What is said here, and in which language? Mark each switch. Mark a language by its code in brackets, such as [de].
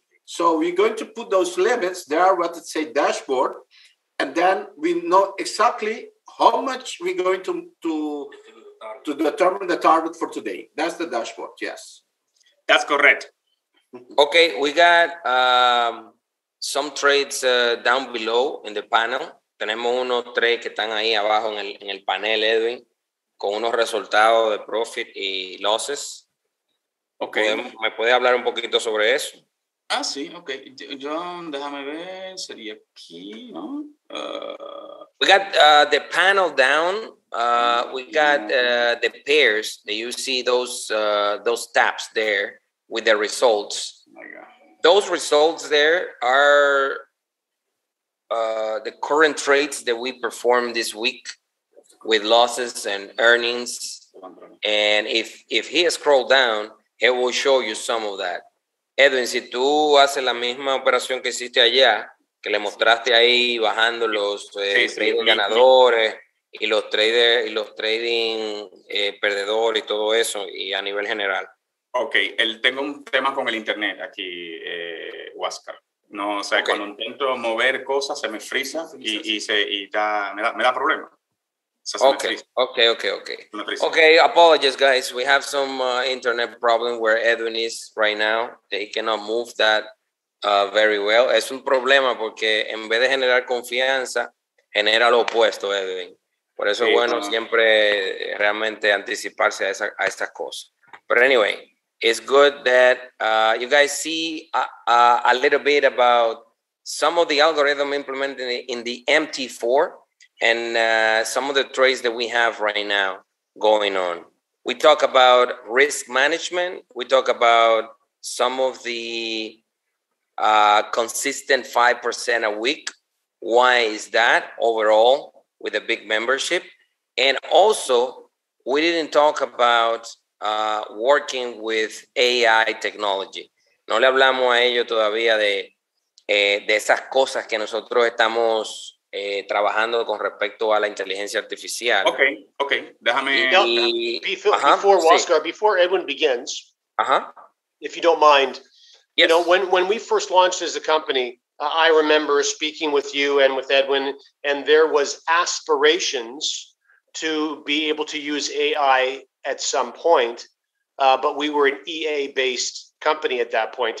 [en] So we're going to put those limits there, what it say dashboard, and then we know exactly how much we're going to determine the target for today. That's the dashboard, yes. That's correct. Okay, we got some trades down below in the panel. [es] Tenemos unos trades que están ahí abajo en el panel, Edwin, con unos resultados de profit y losses. Okay. ¿Me puede hablar un poquito sobre eso? Ah, sí, ok. John, déjame ver, sería aquí, ¿no? [en] We got the panel down. We got the pairs. You see those tabs there with the results. Oh my God. Those results there are the current trades that we performed this week with losses and earnings. And if he scrolls down, he will show you some of that. [es] Edwin, si tú haces la misma operación que hiciste allá, que le mostraste ahí bajando los ganadores y los traders y los trading perdedores y todo eso, y a nivel general. Ok, tengo un tema con el internet aquí, Huáscar. No, o sea, okay. Cuando intento mover cosas se me frisa y me da problema. [en] Okay, apologies, guys. We have some internet problem where Edwin is right now. They cannot move that very well. [es] Es un problema porque en vez de generar confianza, genera lo opuesto, Edwin. Por eso es bueno siempre realmente anticiparse a estas cosas. [en] But anyway, it's good that you guys see a little bit about some of the algorithm implemented in the MT4 and some of the trades that we have right now going on. We talk about risk management. We talk about some of the consistent 5% a week. Why is that overall with a big membership? And also, we didn't talk about working with AI technology. [es] No le hablamos a ellos todavía de esas cosas que nosotros estamos trabajando con respecto a la inteligencia artificial. Okay, okay. Déjame. [en] Before Edwin begins, if you don't mind, yes. You know, when we first launched as a company, I remember speaking with you and with Edwin, and there was aspirations to be able to use AI at some point, but we were an EA-based company at that point.